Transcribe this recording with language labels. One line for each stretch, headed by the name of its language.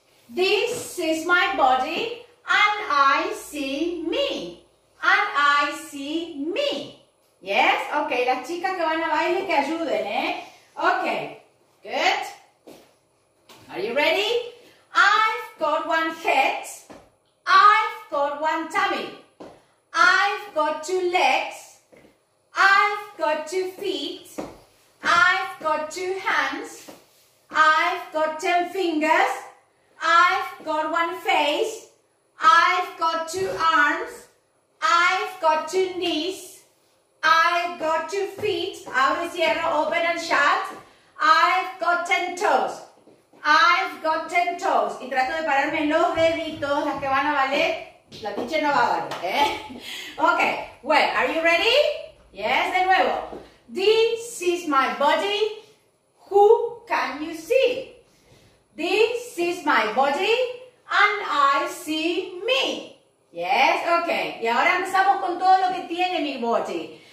English: This is my body and I see me. And I see me. Yes?
Spanish: Okay, las chicas que van a baile que ayuden, ¿eh?
English: Okay, good. Are you ready? I've got one head. I've got one tummy. I've got two legs. I've got two feet. I've got two hands. I've got 10 fingers, I've got one face, I've got two arms, I've got two knees, I've got two feet, abre, cierra, open and shut, I've got 10 toes, I've got 10 toes.
Spanish: Y trato de pararme en los deditos, las que van a valer, la teacher no va a valer, ¿eh?
English: Okay, well, are you ready? Yes,
Spanish: de nuevo.
English: This is my body. Who can you see? This is my body and I see me. Yes, okay.
Spanish: Y ahora empezamos con todo lo que tiene mi body.